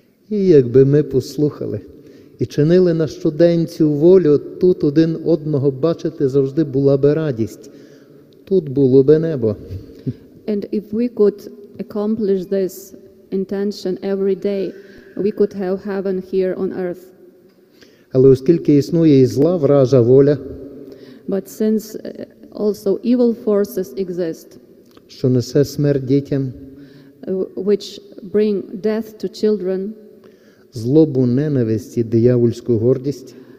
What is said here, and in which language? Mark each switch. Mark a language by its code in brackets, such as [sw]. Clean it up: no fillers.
[uk] І якби ми послухали і чинили на щодень цю волю, тут один одного бачити завжди була би радість. Тут було би небо. [en] And if we could accomplish this intention every day, we could have heaven here on earth. [uk] Але оскільки існує і зла вража воля, [en] but since also evil forces exist, [uk] що несе смерть дітям, [en] which bring death to children, [uk] злобу, ненависть і диявольську гордість,